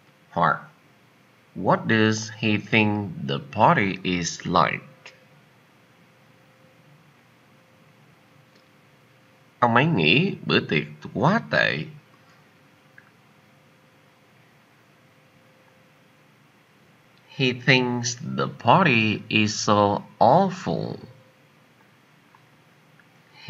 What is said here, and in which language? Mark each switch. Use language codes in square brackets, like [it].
[vi] Hoặc, [en] what does he think the party is like? [vi] Ông ấy nghĩ bữa tiệc quá tệ. [en] He thinks the party is so awful. He